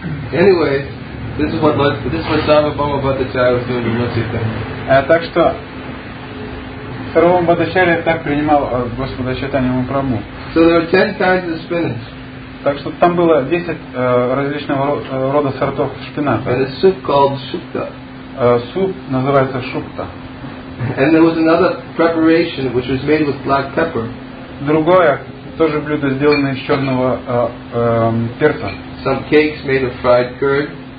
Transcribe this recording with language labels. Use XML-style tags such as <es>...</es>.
<en>Anyway, this is what Sarva Bhauma Bhattacharya was doing in Lusitana.</en> <ru>Так что Сарвабхаума Бхаттачарья так принимал Господа Чайтанья Махапрабху.</ru> <en>So there are 10 kinds of spinach.</en> <ru>Так что там было 10 различного рода сортов шпината.</ru> <en>And a soup called shukta.</en> <ru>Суп называется шукта.</ru> <en>And there was another preparation which was made with black pepper.</en> <ru>Другое тоже блюдо, сделанное из черного перца.</ru> <en>Some cakes made of fried curd.</en>